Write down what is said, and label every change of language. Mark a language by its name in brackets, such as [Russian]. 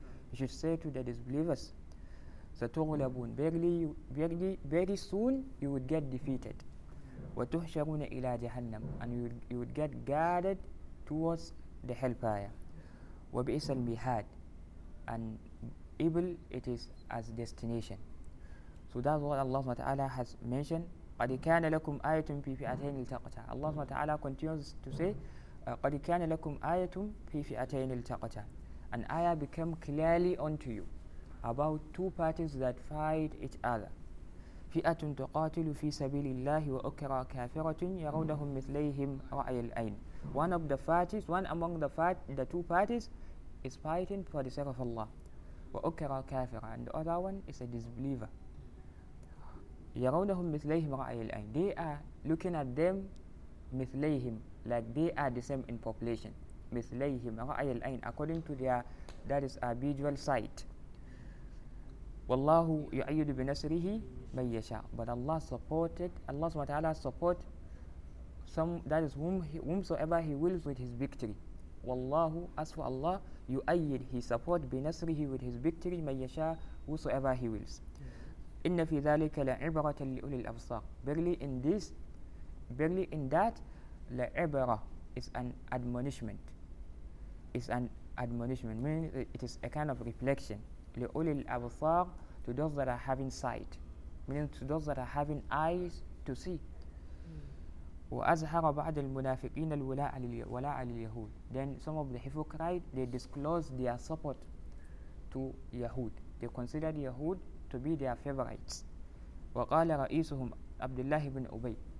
[English] You should say to the disbelievers, [Arabic] سَتُغْلَبُونَ, [English] very soon you would get defeated. [Arabic] وَتُحْشَرُونَ إِلَى جَهَنَّمَ, [English] and you would get guided towards the hellfire. [Arabic] وَبِئْسَ الْمِهَادُ, [English] and evil it is as destination. So that's what Allah SWT has mentioned. [Arabic] قد كان لكم آية في فئتين التقتا. الله تعالى [English] continues to say [Arabic] قد كان لكم آية في فئتين التقتا. [English] An ayah became clearly unto you about two parties that fight each other. [Arabic] فئة تقاتل في سبيل الله وأخرى كافرة يرونهم مثليهم رأي العين. [English] One of the parties, one among the the two parties, is fighting for the sake of Allah. [Arabic] وأخرى كافرة, [English] and the other one is a disbeliever. [Arabic] يرونهم مثليهم رأي العين. [English] They are looking at them مثليهم, like they are the same in population. [Arabic] مثليهم رأي العين, [English] according to their that is a visual sight. [Arabic] والله يؤيد بنصره من يشاء. [English] But Allah supported, Allah SWT support some, that is whomsoever He wills with His victory. والله, as for Allah, يؤيد, He support بنصره with His victory, [Arabic] من يشاء, [English] whosoever He wills. [Arabic] إن في ذلك لعبرة لأولي الأبصار. [English] Barely in that, لعبرة is an admonishment. It's an admonishment, meaning it is a kind of reflection. [Arabic] لأولي الأبصار, [English] to those that are having sight, meaning to those that are having eyes to see. [Arabic] وأظهر بعض المنافقين الولاء لليهود. [English] Then some of the hypocrites, they disclose their support to Yahud. They consider Yahud to be their favorites. [Arabic] وقال رئيسهم عبد الله بن أبي.